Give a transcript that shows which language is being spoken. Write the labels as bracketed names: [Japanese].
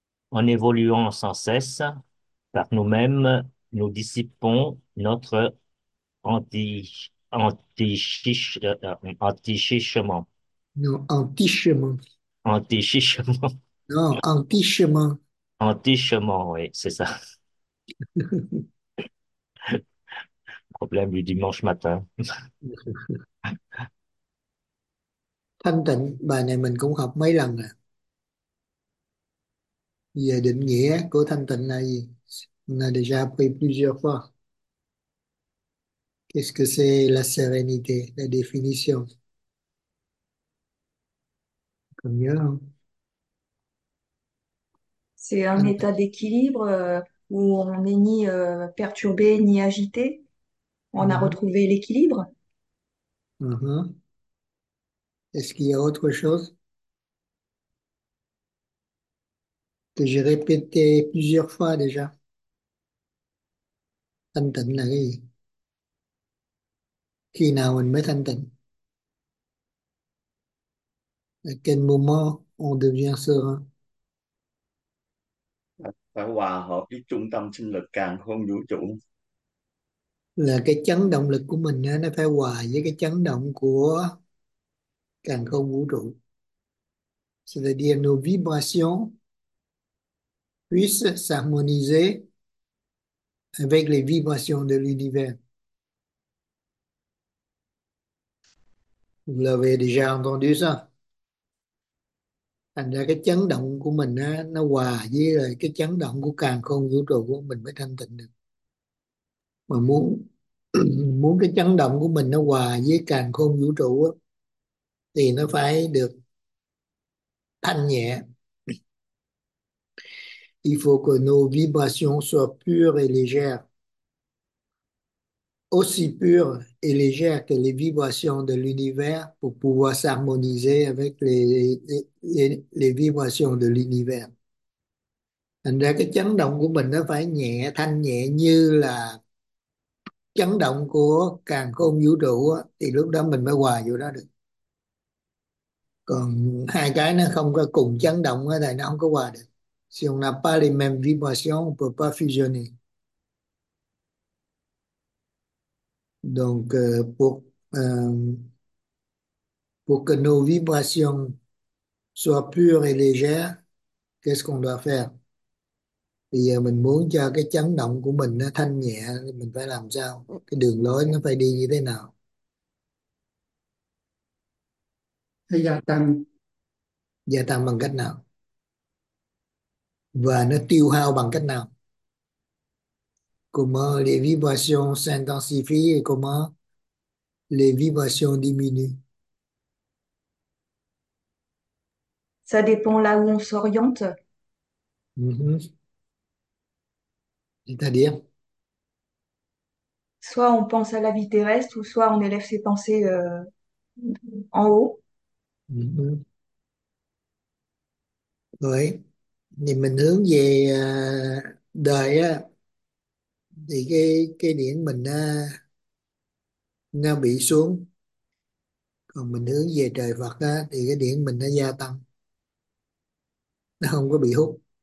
[French] En évoluant sans cesse par nous-mêmes, nous dissipons notre anti-chichement. Non, antichement. Anti-chichement. Non, antichement. Anti-chichement, oui, c'est ça. Problème du dimanche matin. [Vietnamese] Thanh tịnh, bài này mình cũng học mấy lần rồi. Về định nghĩa của thanh tịnh là gì? [French] On a déjà appris plusieurs fois. Qu'est-ce que c'est la sérénité, la définition? [Vietnamese] Còn nhớ không? [French] C'est un [Vietnamese] Anh [French] état d'équilibre où on n'est ni perturbé ni agité. On a retrouvé l'équilibre. Est-ce qu'il y a autre chose que j'ai répété plusieurs fois déjà? [Vietnamese] Thanh tịnh là cái gì? Khi nào mình mới thanh tịnh? [French] À quel moment on devient serein? [Vietnamese] Phải hòa hợp với trung tâm sinh lực càn khôn vũ trụ. Là cái chấn động lực của mình nó phải hòa với cái chấn động của càn khôn vũ trụ. [French] C'est-à-dire nos vibrations puissent s'harmoniser avec les vibrations de l'univers. Vous l'avez déjà entendu ça? [Vietnamese] Thành ra cái chấn động của mình á, nó hòa với lại cái chấn động của càn khôn vũ trụ của mình mới thanh tịnh được. Mà muốn muốn cái chấn động của mình nó hòa với càn khôn vũ trụ á, thì nó phải được thanh nhẹ. [French] Faut que nos vibrations soient pures et légères. Aussi pures et légères que les vibrations de l'univers pour pouvoir s'harmoniser avec les vibrations de l'univers. [Vietnamese] Thành ra cái chấn động của mình nó phải nhẹ, thanh nhẹ như là chấn động của càn khôn vũ trụ á, thì lúc đó mình mới hòa vô đó được. Còn hai cái nó không có cùng chấn động á, thì nó không có hòa được. [French] Si on n'a pas les mêmes vibrations, on peut pas fusionner. Donc, pour que nos vibrations soient pures et légères, qu'est-ce qu'on doit faire? [Vietnamese] Bây giờ mình muốn cho cái chấn động của mình nó thanh nhẹ, mình phải làm sao? Cái đường lối nó phải đi như thế nào? Gia tăng Gia tăng bằng cách nào? Và nó tiêu hao bằng cách nào? [French] Comment les vibrations s'intensifient et comment les vibrations diminuent? ça dépend là où on s'oriente. C'est-à-dire? Soit on pense à la vie terrestre ou soit on élève ses pensées en haut. [Vietnamese] Oui, thì mình hướng về đời á, thì cái điển mình nó bị xuống, còn mình hướng về trời Phật á, thì cái điển mình nó gia tăng, nó không có bị hút.